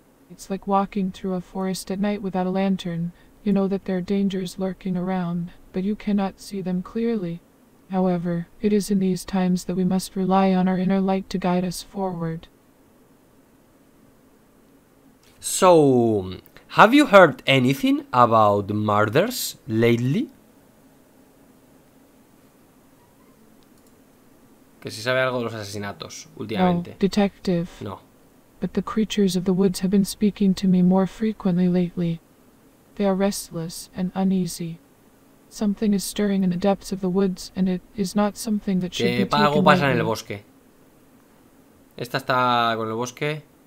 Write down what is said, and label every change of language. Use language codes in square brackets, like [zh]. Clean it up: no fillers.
[en] It's like walking through a forest at night without a lantern. You know that there are dangers lurking around, but you cannot see them clearly. However, it is in these times that we must rely on our inner light to guide us forward. So, have you heard anything about murders lately? [es] Que si sabe algo de los asesinatos últimamente. [en] No, detective. No. but the creatures of the woods have been speaking to me more frequently lately. They are restless and uneasy. Something is stirring in the depths of the woods, and it is not something that should be taken. [es] Algo pasa en el bosque. Esta está con el bosque.